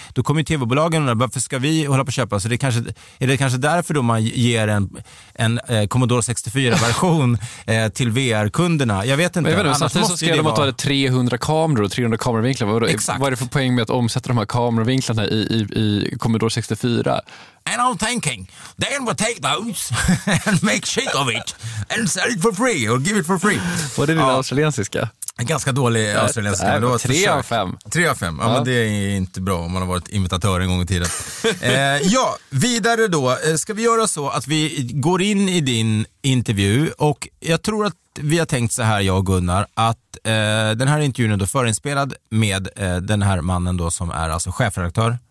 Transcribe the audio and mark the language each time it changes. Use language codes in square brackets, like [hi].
[sv] Då kommer ju tv-bolagen undra, varför ska vi hålla på att köpa? Så det kanske, är det kanske därför då man ger en Commodore 64-version till VR-kunderna? Jag vet inte. Men annars så ska de ta 300 kameror och 300 kameravinklar. Vad är det för poäng med att omsätta de här kameravinklarna i Commodore 64? [en] And I'm thinking, then we take those and make shit of it and sell it for free or give it for free. [sv] Vad är det, ja, australiensiska? Ganska dålig australiensiska. Det var 3 av 5. 3 av 5, ja, ja. Men det är inte bra om man har varit imitatör en gång i tiden. Ja, vidare då. Ska vi göra så att vi går in i din intervju, och jag tror att vi har tänkt så här, jag och Gunnar, att den här intervjun är då förinspelad med den här mannen då som är alltså chefredaktör.